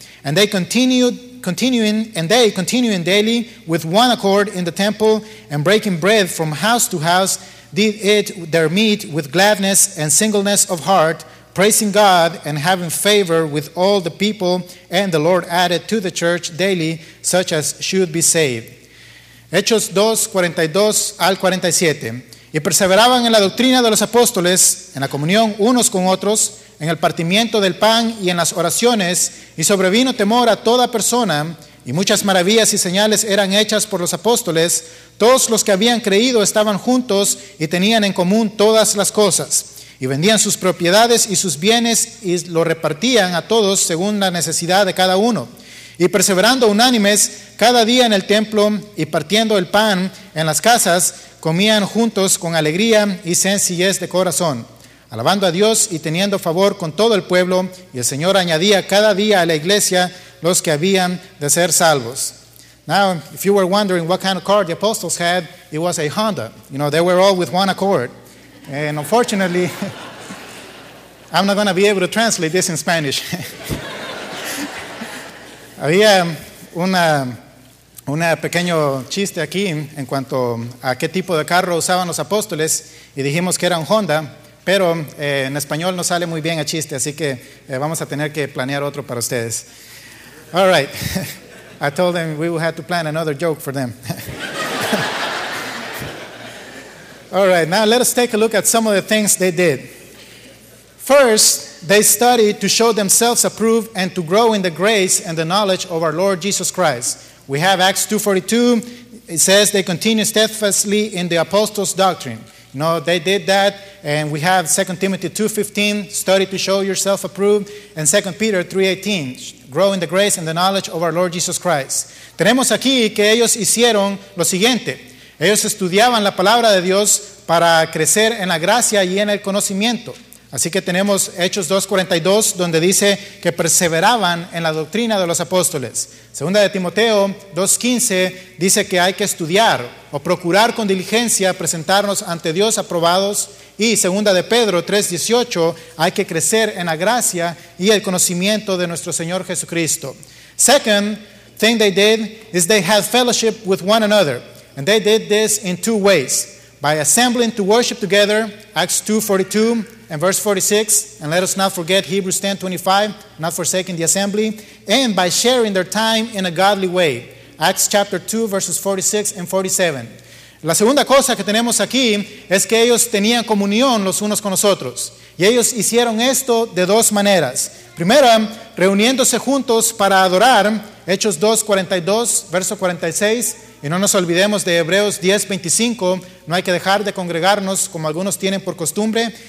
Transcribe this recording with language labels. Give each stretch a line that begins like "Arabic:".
English: And they continuing daily with one accord in the temple, and breaking bread from house to house, did eat their meat with gladness and singleness of heart, praising God and having favor with all the people. And the Lord added to the church daily such as should be saved."
Spanish: Hechos 2, 42 al 47. "Y perseveraban en la doctrina de los apóstoles, en la comunión unos con otros, en el partimiento del pan y en las oraciones, y sobrevino temor a toda persona, y muchas maravillas y señales eran hechas por los apóstoles. Todos los que habían creído estaban juntos y tenían en común todas las cosas, y vendían sus propiedades y sus bienes y lo repartían a todos según la necesidad de cada uno. Y perseverando unánimes cada día en el templo y partiendo el pan en las casas, comían juntos con alegría y sencillez de corazón, alabando a Dios y teniendo favor con todo el pueblo, y el Señor añadía cada día a la iglesia los que habían de ser salvos."
English: Now, if you were wondering what kind of car the apostles had, it was a Honda. You know, they were all with one accord. And unfortunately, I'm not going to be able to translate this in Spanish.
Spanish: Había un pequeño chiste aquí en cuanto a qué tipo de carro usaban los apóstoles y dijimos que era un Honda, pero en español no sale muy bien el chiste, así que vamos a tener que planear otro para ustedes.
English: All right. I told them we would have to plan another joke for them. All right, now let us take a look at some of the things they did. First, they studied to show themselves approved and to grow in the grace and the knowledge of our Lord Jesus Christ. We have Acts 2:42. It says they continue steadfastly in the apostles' doctrine. You know, they did that. And we have 2 Timothy 2:15, study to show yourself approved. And 2 Peter 3:18, grow in the grace and the knowledge of our Lord Jesus Christ.
Spanish: Tenemos aquí que ellos hicieron lo siguiente. Ellos estudiaban la palabra de Dios para crecer en la gracia y en el conocimiento. Así que tenemos Hechos 2:42, donde dice que perseveraban en la doctrina de los apóstoles. Segunda de Timoteo 2:15 dice que hay que estudiar o procurar con diligencia presentarnos ante Dios aprobados. Y segunda de Pedro 3:18, hay que crecer en la gracia y el conocimiento de nuestro Señor Jesucristo.
English: Second thing they did is they had fellowship with one another. And they did this in two ways. By assembling to worship together, Acts 2:42, and verse 46, and let us not forget Hebrews 10:25, not forsaking the assembly, and by sharing their time in a godly way. Acts chapter 2, verses 46 and 47.
Spanish: La segunda cosa que tenemos aquí es que ellos tenían comunión los unos con los otros. Y ellos hicieron esto de dos maneras. Primera, reuniéndose juntos para adorar, Hechos 2:42, verso 46. Y no nos olvidemos de Hebreos 10:25, no hay que dejar de congregarnos como algunos tienen por costumbre.